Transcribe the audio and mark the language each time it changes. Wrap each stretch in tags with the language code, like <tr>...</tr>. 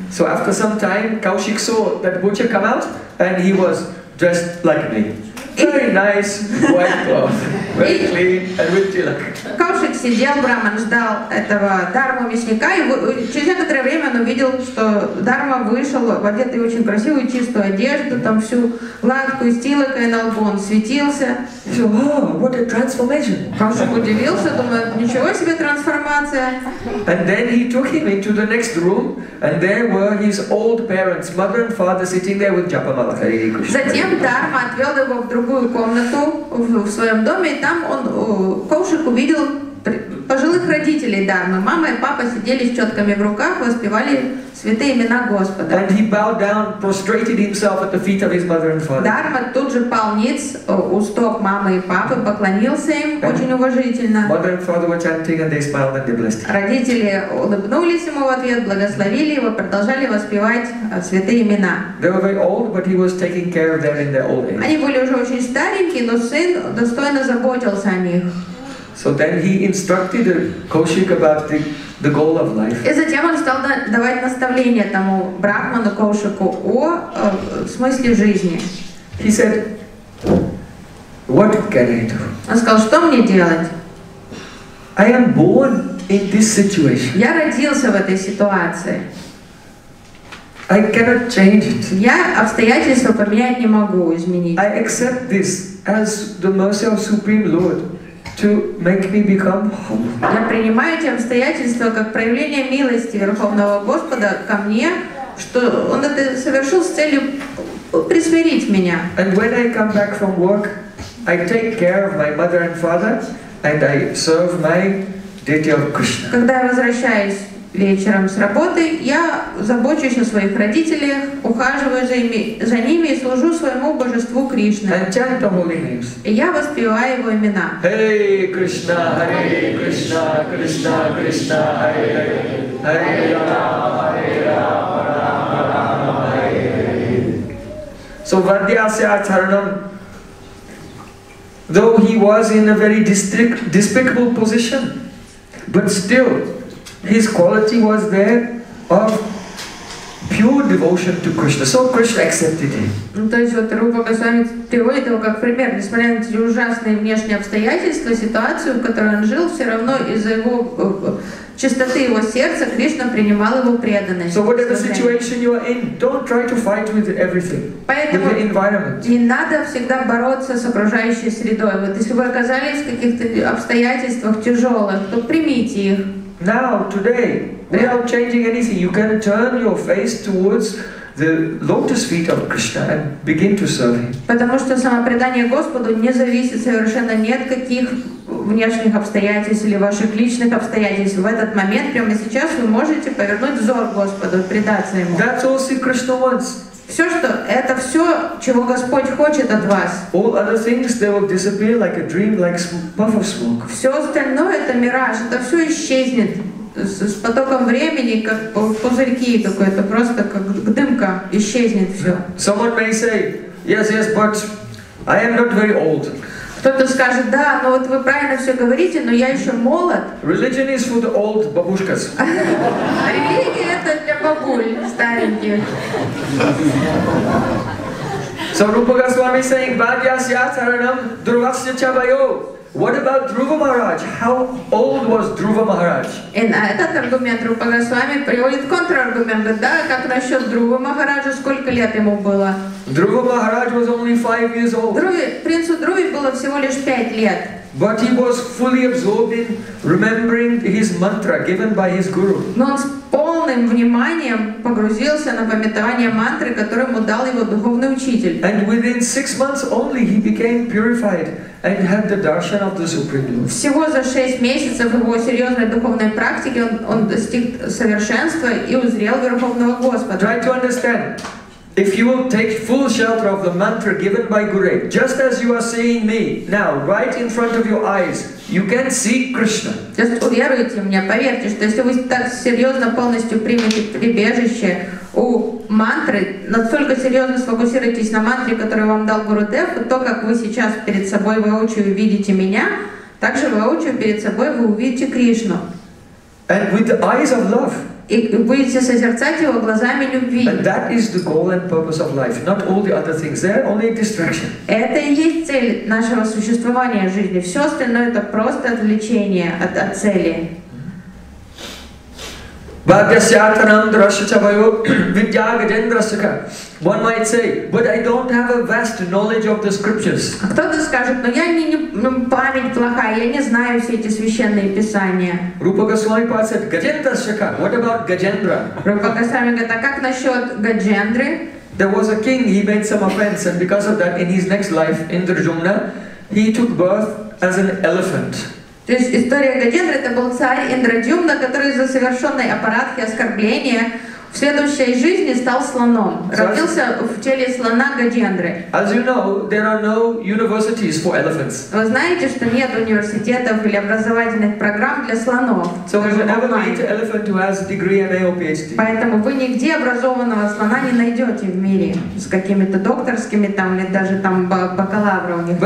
<en>So after some time Kaushik saw that butcher come out and he was dressed like me. Very nice white cloth, very clean and with tilak.</en> <ru>Кошек сидел, браман ждал этого дарму мясника, и через некоторое время он увидел, что дарма вышел в одетый очень красивую чистую одежду, там всю лавку из тилака и на лбу он светился.</ru> <en>So, wow, what a transformation!</en> <ru>Кошек удивился, думает, ничего себе трансформация.</ru> <en>And then he took him into the next room, and there were his old parents, mother and father, sitting there with japa mala.</en> <ru>Затем дарма отвел его в другую комнату в своем доме, и там он Кошек увидел пожилых родителей Дармы. Мама и папа сидели с четками в руках, воспевали святые имена Господа.</ru> <en>And he bowed down, prostrated himself at the feet of his mother and father.</en> <ru>Дарма тут же пал ниц у стоп мамы и папы, поклонился им очень уважительно.</ru> <en>Mother and father were chanting and they smiled and they blessed him.</en> <ru>Родители улыбнулись ему в ответ, благословили его, продолжали воспевать святые имена.</ru> <en>They were very old, but he was taking care of them in their old age.</en> <ru>Они были уже очень старенькие, но сын достойно заботился о них.</ru> <en>So then he instructed Kaushik about the goal of life.</en> <ru>И затем он стал давать наставления тому брахману Кошику о смысле жизни.</ru> <en>He said, "What can I do?"</en> <ru>Он сказал, что мне делать?</ru> <en>I am born in this situation.</en> <ru>Я родился в этой ситуации.</ru> <en>I cannot change it.</en> <ru>Я обстоятельства поменять не могу, изменить.</ru> <en>I accept this as the mercy of Supreme Lord. To make me become humble.</en> <ru>Я принимаю эти обстоятельства как проявление милости Верховного Господа ко мне, что Он это совершил с целью присмирить меня.</ru> <en>And when I come back from work, I take care of my mother and father, and I serve my deity of Krishna.</en> <ru>Когда я возвращаюсь вечером с работы, я забочусь о своих родителях, ухаживаю за ними и служу своему божеству Кришне.</ru> <en>And chant the holy names.</en> <ru>И я воспеваю его имена.</ru> <sa>Hey Krishna, Hare Krishna, Krishna Krishna, Hare Hare, Hare Rama, Hare Rama, Rama Rama, Hare Hare.</sa> <en>So</en> <sa>Vadyasya Acharanam,</sa> <en>though he was in a very despicable position, but still his quality was there of pure. pure devotion to Krishna. So Krishna accepted him.</en> <ru>То есть вот Рупа Госвами приводит его как пример, несмотря на эти ужасные внешние обстоятельства, ситуацию, в которой он жил, все равно из-за его чистоты его сердца Кришна принимал его преданность.</ru> <en>So whatever situation you are in, don't try to fight with everything.</en> <ru>Поэтому</ru> <en>with the environment.</en> <ru>Не надо всегда бороться с окружающей средой. Вот если вы оказались в каких-то обстоятельствах тяжелых, то примите их.</ru> <en>Now, today, without changing anything, you can turn your face towards the lotus feet of Krishna and begin to serve him.</en> <ru>Потому что самопредание Господу не зависит совершенно ни от каких внешних обстоятельств или ваших личных обстоятельств. В этот момент, прямо сейчас, вы можете повернуть взор Господу, предаться ему.</ru> <en>That's all see Krishna wants.</en> <ru>Все, что это все, чего Господь хочет от вас.</ru> <en>All other things, they will disappear like a dream, like a puff of smoke.</en> <ru>Все остальное это мираж, это все исчезнет с потоком времени, как пузырьки, такое, это просто как дымка, исчезнет все.</ru> <en>Someone may say, yes, yes, but I am not very old.</en> <ru>Кто-то скажет, да, но вот вы правильно все говорите, но я еще молод.</ru> <en>Religion is for the old бабушкас.</en> <ru>Религия это для бабуль стареньких.</ru> <en>So Rupa Goswami saying,</en> <sa>Bhadyas Yataranam Durvasya Chabayo.</sa> <en>What about Dhruva Maharaj? How old was Dhruva Maharaj?</en> <ru>And этот аргумент Rupa Goswami приводит контраргумент. Да, как насчет Dhruva Maharaja, сколько лет ему было?</ru> <en>Dhruva Maharaj was only 5 years old.</en> <ru>Принцу Dhruvi было всего лишь 5 лет.</ru> <en>But he was fully absorbed in remembering his mantra given by his guru.</en> <ru>Но он с полным вниманием погрузился на памятование мантры, которую ему дал его духовный учитель.</ru> <en>And within 6 months only he became purified and had the darshan of the Supreme Lord.</en> <ru>Всего за 6 месяцев его серьезной духовной практики он достиг совершенства и узрел Верховного Господа.</ru> <en>Try to understand. If you will take full shelter of the mantra given by Guru, just as you are seeing me now, right in front of your eyes, you can see Krishna.</en> <ru>Just уверуйте меня, поверьте, что если вы так серьезно полностью примете прибежище у мантры, настолько серьезно сфокусируетесь на мантре, которую вам дал Гуру Дев, то как вы сейчас перед собой воочию видите меня, так же воочию перед собой вы увидите Кришну.</ru> <en>And with the eyes of love.</en> <ru>И будете созерцать его глазами любви.</ru> <en>And that is the goal and purpose of life, not all the other things. They're only a distraction.</en> <ru>Это и есть цель нашего существования жизни. Все остальное это просто отвлечение от цели.</ru> <en>One might say, but I don't have a vast knowledge of the scriptures.</en> <ru>Кто-то скажет, но я не память плохая, я не знаю все эти священные писания.</ru> <en>Rupa Goswami said, Gajendrasaka. What about Gajendra?</en> <ru>Rupa Goswami говорит, а как насчет Гаджендры?</ru> <en>There was a king. He made some offense, and because of that, in his next life, Indrajumna, he took birth as an elephant.</en> <ru>То есть история Гаджендры это был царь Индраджумна, который из-за совершенной аппаратки оскорбления в следующей жизни стал слоном. Родился в теле слона Гаджендры.</ru> <en>As you know, there are no universities for elephants.</en> <ru>Вы знаете, что нет университетов или образовательных программ для слонов.</ru> <en>So you never meet an elephant who has a degree MA or PhD.</en> <ru>Поэтому вы нигде образованного слона не найдете в мире с какими-то докторскими там или даже там бакалавра у них</ru>